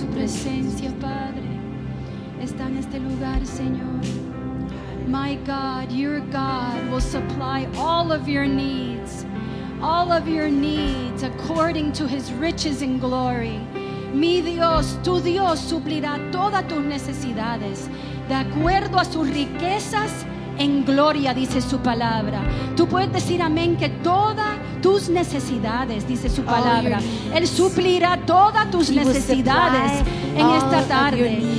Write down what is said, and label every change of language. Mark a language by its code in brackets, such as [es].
[es] Tu presencia, Padre, está en este lugar, Señor. [en] My God, your God will supply all of your needs, all of your needs according to his riches and glory. [es] Mi Dios, tu Dios suplirá todas tus necesidades de acuerdo a sus riquezas en gloria, dice su palabra. Tú puedes decir amén, que todas tus necesidades, dice su palabra, él suplirá todas tus necesidades en esta tarde.